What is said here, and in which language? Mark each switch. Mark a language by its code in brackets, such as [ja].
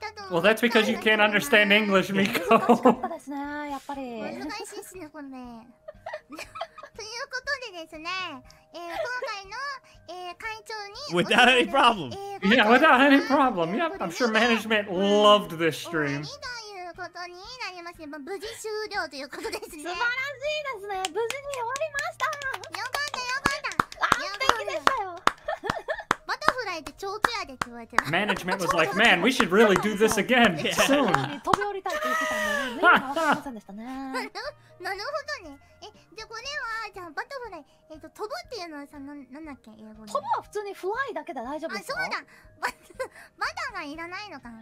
[en] Well, that's because you can't understand English, Miko. [ja] 難しかったですね、やっぱり。難しいですね、これ。ということでですね、今回の会長に。 [en] Without any problem. Yeah, without any problem. Yep, I'm sure management loved this stream. [ja] ことになりますね。無事終了ということですね。素晴らしいですね。無事に終わりました。よかったよかった。完璧でしたよ。バタフライで超ツヤでって言われてる。 [en] Management was like, man, we should really do this again soon. [ja] 飛び降りたいって言ってたのに、全然わかりませんでしたね。なるほどね。じゃあこれは、じゃあバタフライ、飛ぶっていうのはさ、なんだっけ、英語で。飛ぶは普通にフライだけで大丈夫ですか。あ、そうだ。バタがいらないのかな。